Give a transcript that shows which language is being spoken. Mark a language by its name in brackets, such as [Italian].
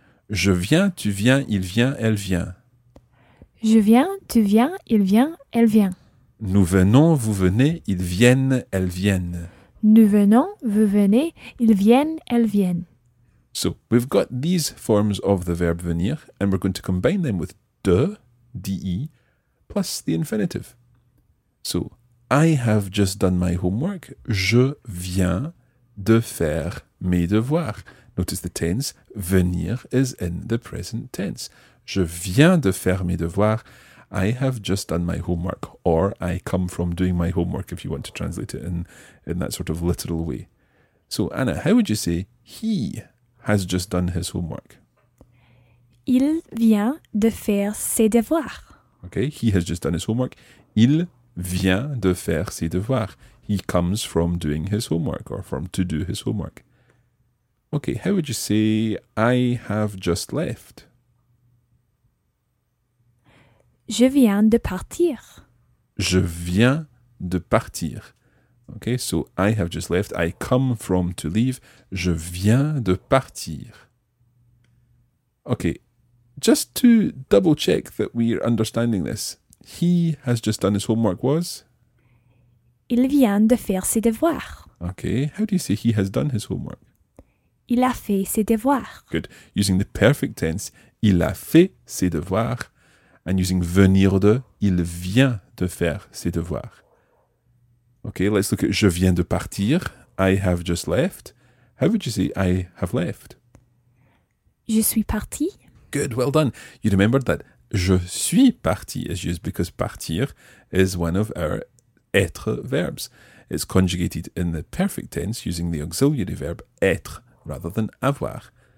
[French] Je viens, tu viens, il vient, elle vient. Je viens, tu viens, il vient, elle vient. Nous venons, vous venez, ils viennent, elles viennent. Nous venons, vous venez, ils viennent, elles viennent. [English] So, we've got these forms of the verb venir, and we're going to combine them with de, D-E, plus the infinitive. So, I have just done my homework. [French] Je viens de faire mes devoirs. [English] Notice the tense. Venir is in the present tense. [French] Je viens de faire mes devoirs. [English] I have just done my homework. Or I come from doing my homework, if you want to translate it in that sort of literal way. So, Anna, how would you say he has just done his homework? [French] Il vient de faire ses devoirs. [English] Okay, he has just done his homework. [French] Il vient de faire ses devoirs. [English] He comes from doing his homework or from to do his homework. Okay, how would you say I have just left? [French] Je viens de partir. Je viens de partir. [English] Okay, so I have just left. I come from to leave. [French] Je viens de partir. [English] Okay, just to double check that we're understanding this. He has just done his homework was? [French] Il vient de faire ses devoirs. [English] Okay, how do you say he has done his homework? [French] Il a fait ses devoirs. [English] Good. Using the perfect tense, [French] il a fait ses devoirs. [English] And using [French] venir de, il vient de faire ses devoirs. [English] Okay, let's look at [French] je viens de partir. [English] I have just left. How would you say I have left? [French] Je suis parti. [English] Good, well done. You remembered that [French] je suis parti [English] is used because partir is one of our être verbs. It's conjugated in the perfect tense using the auxiliary verb être rather than avoir.